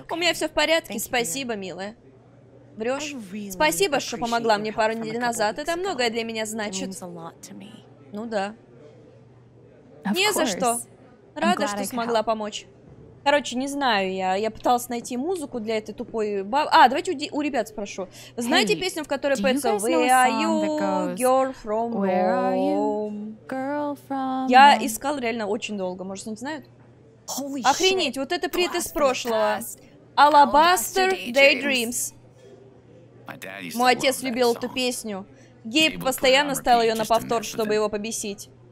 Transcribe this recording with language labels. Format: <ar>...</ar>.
<ru>У меня все в порядке, спасибо, милая. Врешь? Спасибо, что помогла мне пару недель назад, это многое для меня значит. Ну да. Не за что. Рада, что смогла помочь. Короче, не знаю я. Я пыталась найти музыку для этой тупой бабы. А, давайте у ребят спрошу. Знаете песню, в которой поется</ru> <en>Where are you, girl from Rome?</en> <ru>Я искал реально очень долго. Может, они знают? Охренеть, вот это привет из прошлого. Alabaster Daydreams. Мой отец любил эту песню. Гейб постоянно ставил ее на повтор, чтобы его побесить.</ru>